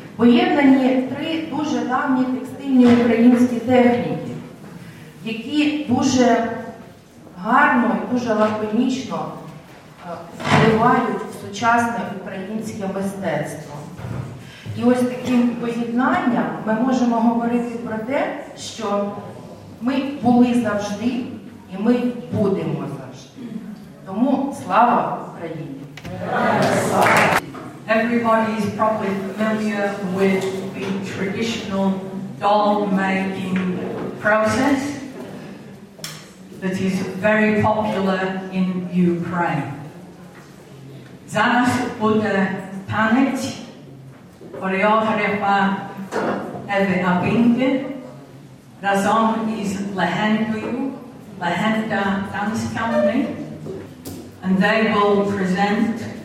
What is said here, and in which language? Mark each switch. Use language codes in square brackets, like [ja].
[uk] Поєднані три дуже давні текстильні українські техніки, які дуже гарно і дуже лаконічно впливають в сучасне українське мистецтво. І ось таким поєднанням ми можемо говорити про те, що ми були завжди і ми будемо завжди. Тому слава Україні! [en] Everybody is probably familiar with the traditional doll-making process that is very popular in Ukraine. [uk] Зараз буде танець хореографа Еви Абінки разом із Легендою, Легенда Dance Company, [en] and they will present